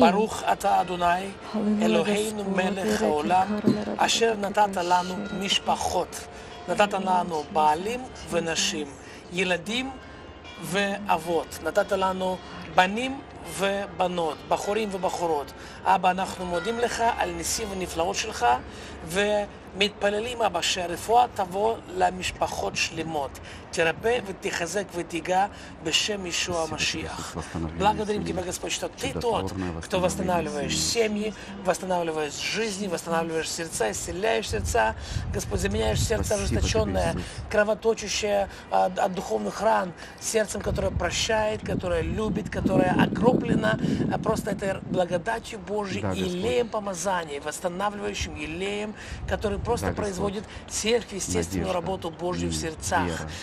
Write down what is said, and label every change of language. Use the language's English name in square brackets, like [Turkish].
[Hebrew] Барух ата Адунай, Элохейну мелех хаолам, ашер натата лану мишпахот, натата лану баалим венашим, еладим ваавот, натата лану баним ובנות, בחורים ובחורות. אבא, אנחנו מודים לך על ניסים ונפלאות שלך ומתפללים, אבא, שהרפואה תבוא למשפחות שלמות. תרפא ותחזק ותיגע בשם ישוע המשיח. [Russian] Благодарим тебя, Господь, что ты тот, кто восстанавливаешь семьи, восстанавливаешь жизни, восстанавливаешь сердца, исцеляешь сердца. Господь, заменяешь сердце ожесточенное, кровоточащее от духовных ран, сердцем, которое прощает, которое любит, которое окроплено просто этой благодатью Божьей, елеем помазания, восстанавливающим елеем, который просто производит сверхъестественную работу Божью в сердцах.